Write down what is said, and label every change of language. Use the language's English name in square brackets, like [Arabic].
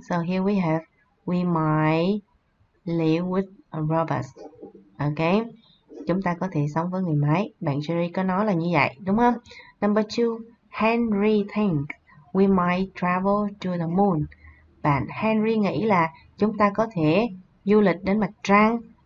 [English] So here we have we might live with robots. Okay. [Vietnamese] Chúng ta có thể sống với người máy. Bạn Jerry có nói là như vậy, đúng không? [English] Number 2. Henry thinks we might travel to the moon. [Vietnamese] Bạn Henry nghĩ là chúng ta có thể du lịch đến mặt trăng.